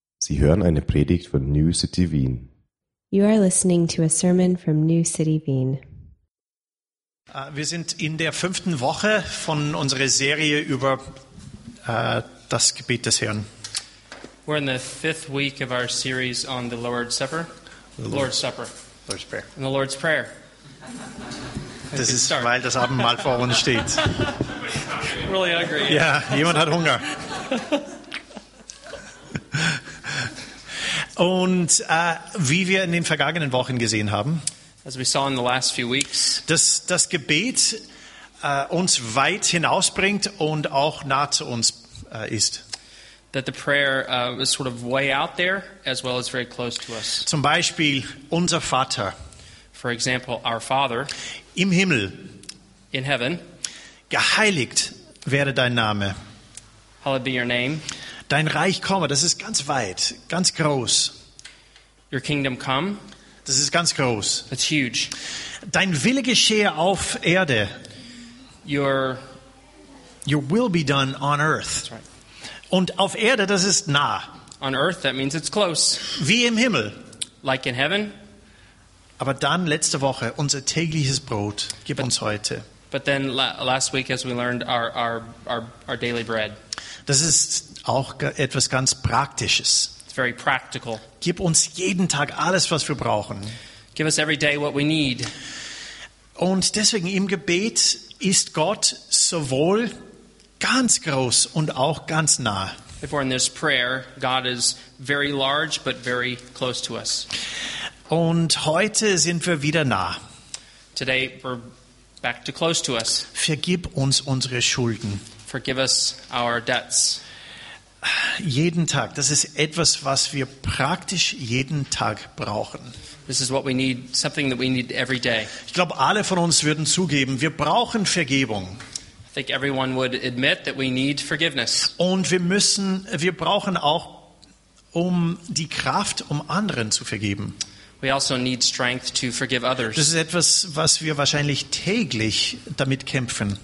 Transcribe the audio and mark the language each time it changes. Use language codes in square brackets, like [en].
[de] Sie hören eine Predigt von New City Wien. [en] You are listening to a sermon from New City Wien. [de] Wir sind in der fünften Woche von unserer Serie über das Gebet des Herrn. [en] We're in the fifth week of our series on the Lord's Supper. Lord's Prayer. And the Lord's Prayer. [de] Das ist, start. Weil das Abendmahl vor uns steht. [en] Really hungry. [de] Yeah, yeah, jemand hat Hunger. Und wie wir in den vergangenen Wochen gesehen haben, [en] as we saw in the last few weeks, [de] dass das Gebet uns weit hinausbringt und auch nah zu uns ist. [en] That the prayer is sort of way out there as well as very close to us. [de] Zum Beispiel unser Vater. [en] For example, our Father. [de] Im Himmel. [en] In heaven. [de] Geheiligt werde dein Name. [en] Hallowed be your name. [de] Dein Reich komme, das ist ganz weit, ganz groß. [en] Your kingdom come. [de] Das ist ganz groß. [en] That's huge. [de] Dein Wille geschehe auf Erde. [en] Your will be done on earth. That's right. [de] Und auf Erde, das ist nah. [en] On earth, that means it's close. [de] Wie im Himmel. [en] Like in heaven. [de] Aber dann letzte Woche, unser tägliches Brot, gib uns heute. [en] But then last week, as we learned, our daily bread. [de] Das ist auch etwas ganz Praktisches. [en] It's very practical. [de] Gib uns jeden Tag alles, was wir brauchen. [en] Give us every day what we need. [de] Und deswegen im Gebet ist Gott sowohl ganz groß und auch ganz nah. [en] If we're in this prayer, God is very large but very close to us. [de] Und heute sind wir wieder nah. [en] Today we're back to close to us. [de] Vergib uns unsere Schulden. [en] Forgive us our debts. [de] Jeden Tag. Das ist etwas, was wir praktisch jeden Tag brauchen. [en] This is what we need, something that we need every day. [de] Ich glaube, alle von uns würden zugeben, wir brauchen Vergebung. [en] I think everyone would admit that we need forgiveness. [de] Und wir brauchen auch die Kraft, anderen zu vergeben. [en] We also need strength to forgive others. [de] Das ist etwas, was wir wahrscheinlich täglich damit kämpfen.